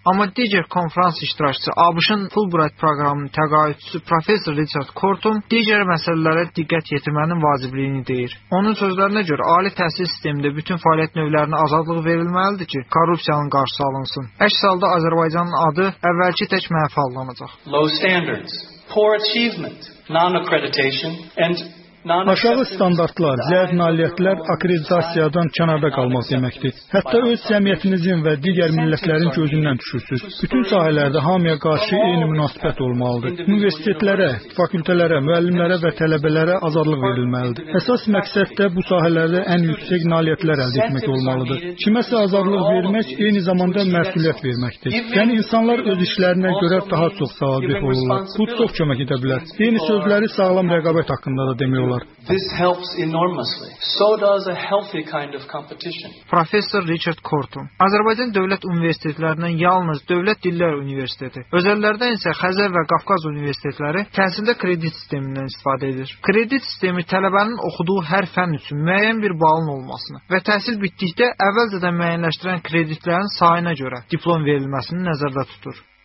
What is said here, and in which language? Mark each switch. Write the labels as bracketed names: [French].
[Azerbaijani] Amma digər konfrans iştirakçısı ABŞ-ın Fulbright proqramının təqaüdçüsü Professor Richard Corton digər məsələlərə diqqət yetirmənin vacibliyini deyir. Onun sözlərinə görə, ali təhsil sistemində bütün fəaliyyət növlərinə azadlıq verilməlidir ki, korrupsiyanın qarşısı alınsın. Əks halda Azərbaycanın adı əvvəlki tək məhv olunacaq. [English] Low standards, poor achievement, non-accreditation and [Azerbaijani] aşağı standartlar, zəif nailiyyətlər akreditasiyadan kənarda qalmaq deməkdir. Hətta öz cəmiyyətinizin və digər millətlərin gözündən düşürsünüz. Bütün sahələrdə hamıya qarşı eyni münasibət olmalıdır. Universitetlərə, fakültələrə, müəllimlərə və tələbələrə azadlıq verilməlidir. Əsas məqsəd də bu sahələrdə ən yüksək nailiyyətlər əldə etmək olmalıdır. Kiməsə azadlıq vermək eyni zamanda məsuliyyət verməkdir. Yəni insanlar öz işlərinə görə daha çox sağlamlıq olurlar. Bu çox kömək edə bilər. Eyni sözləri sağlam rəqabət haqqında da demək. [English] This helps enormously. So does a healthy kind of competition. [Azerbaijani] Professor Richard Corton. Azərbaycan Dövlət Universitetlərindən yalnız Dövlət Dillər Universiteti, özəllərdən isə Xəzər və Qafqaz Universitetləri təhsildə kredit sistemindən istifadə edir. Kredit sistemi tələbənin oxuduğu hər fənn üçün müəyyən bir balın olmasını və təhsil bitdikdə əvvəlcədən müəyyənləşdirilən kreditlərin sayına görə diplom verilməsini nəzərdə tutur.